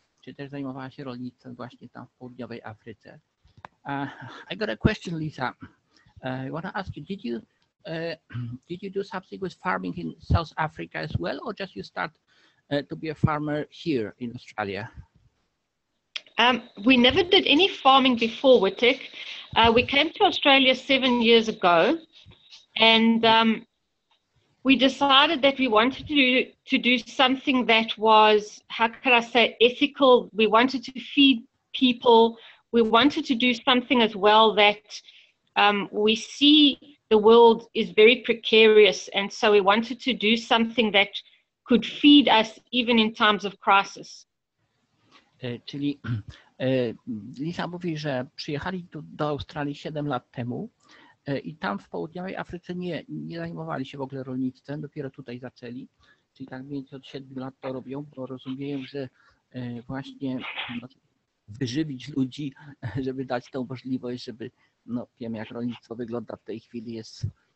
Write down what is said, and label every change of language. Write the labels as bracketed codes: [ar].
[pl] Czy też zajmowała się rolnictwem właśnie tam w południowej Afryce? [en] I got a question, Lisa. I want to ask you, did you do something with farming in South Africa as well, or just you start to be a farmer here in Australia? We never did any farming before, Wittek. We came to Australia 7 years ago, and we decided that we wanted to do something that was, how could I say, ethical. We wanted to feed people. We wanted to do something as well that we see the world is very precarious, and so we wanted to do something that could feed us even in times of crisis. [pl] Czyli Lisa mówi, że przyjechali do Australii 7 lat temu i tam w południowej Afryce nie zajmowali się w ogóle rolnictwem, dopiero tutaj zaczęli, czyli tak mniej więcej od 7 lat to robią, bo rozumieją, że właśnie wyżywić ludzi, żeby dać tą możliwość, żeby, no wiem jak rolnictwo wygląda w tej chwili, jest